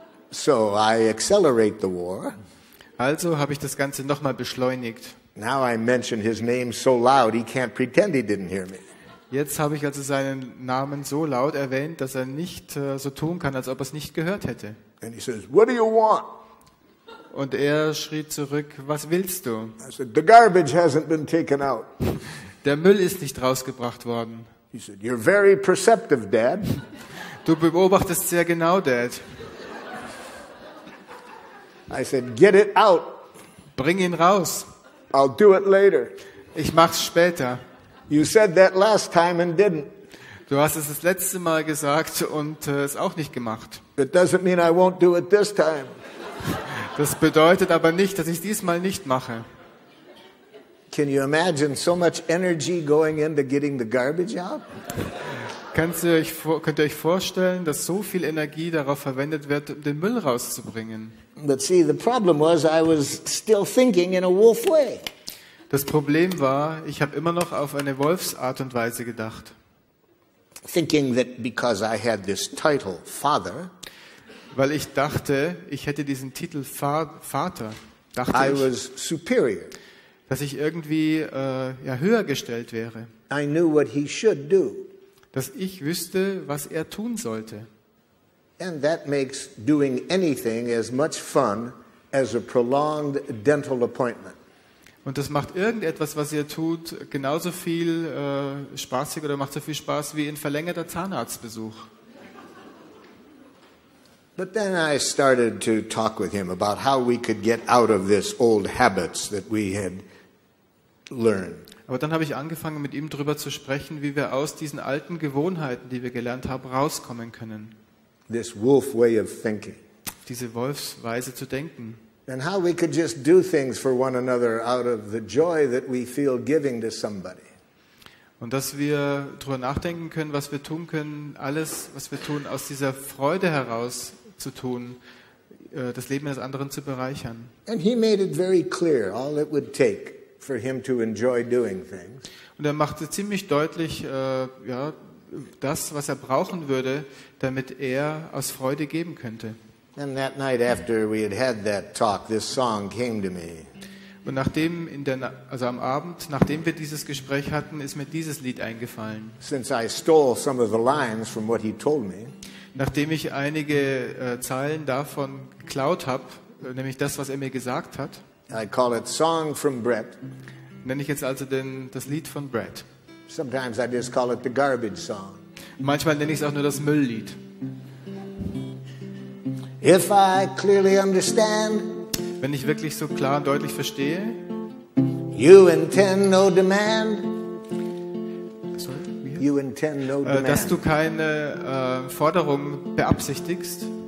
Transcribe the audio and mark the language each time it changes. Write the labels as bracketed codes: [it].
[en] So I accelerate the war. [de] Also habe ich das Ganze nochmal beschleunigt. [en] Now I mention his name so loud he can't pretend he didn't hear me. [de] Jetzt habe ich also seinen Namen so laut erwähnt, dass er nicht so tun kann, als ob er es nicht gehört hätte. [en] And he says, "What do you want?" [de] Und er schrie zurück, "Was willst du?" [en] I said, "The garbage hasn't been taken out." [de] Der Müll ist nicht rausgebracht worden. [en] He said, "You're very perceptive, Dad." [de] Du beobachtest sehr genau, Dad. [en] I said, "Get it out." [de] Bring ihn raus. [en] I'll do it later. [de] Ich mach's später. [en] You said that last time and didn't. [de] Du hast es das letzte Mal gesagt und es auch nicht gemacht. [en] It doesn't mean I won't do it this time. [de] Das bedeutet aber nicht, dass ich diesmal nicht mache. [en] Can you imagine so much energy going into getting the garbage out? [de] Könnt ihr euch vorstellen, dass so viel Energie darauf verwendet wird, den Müll rauszubringen? [en] But see, the problem was, I was still thinking in a wolf way. [de] Das Problem war, ich habe immer noch auf eine Wolfsart und Weise gedacht. [en] Thinking that because I had this title, Father, [de] weil ich dachte, ich hätte diesen Titel Vater, dachte [en] I was superior. [de] Dass ich irgendwie ja, höher gestellt wäre. [en] I knew what he should do. [de] Dass ich wüsste, was er tun sollte. [en] And that makes doing anything as much fun as a prolonged dental appointment. [de] Und das macht irgendetwas, was ihr tut, genauso viel spaßig oder macht so viel Spaß wie ein verlängerter Zahnarztbesuch. [en] But then I started to talk with him about how we could get out of this old habits that we had learned. [de] Aber dann habe ich angefangen, mit ihm darüber zu sprechen, wie wir aus diesen alten Gewohnheiten, die wir gelernt haben, rauskommen können. [en] This wolf way of thinking. [de] Diese Wolfsweise zu denken. [en] And how we could just do things for one another out of the joy that we feel giving to somebody. [de] Und dass wir drüber nachdenken können, was wir tun können, alles, was wir tun, aus dieser Freude heraus zu tun, das Leben des anderen zu bereichern. [en] And he made it very clear, all it would take for him to enjoy doing things. [de] Und er machte ziemlich deutlich, ja, das, was er brauchen würde, damit er aus Freude geben könnte. [en] And that night after we had had that talk, this song came to me. [de] Und nachdem in der also am Abend, nachdem wir dieses Gespräch hatten, ist mir dieses Lied eingefallen. [en] Since I stole some of the lines from what he told me. [de] Nachdem ich einige Zeilen davon geklaut habe, nämlich das, was er mir gesagt hat. [en] I call it Song from Brett. [de] Nenne ich jetzt also das Lied von Brett. [en] Sometimes I just call it the garbage song. [de] Manchmal nenne ich es auch nur das Mülllied. [en] If I clearly understand, [de] wenn ich wirklich so klar und deutlich verstehe, [en] you intend no demand, you intend no demand, [de] dass du keine Forderung beabsichtigst,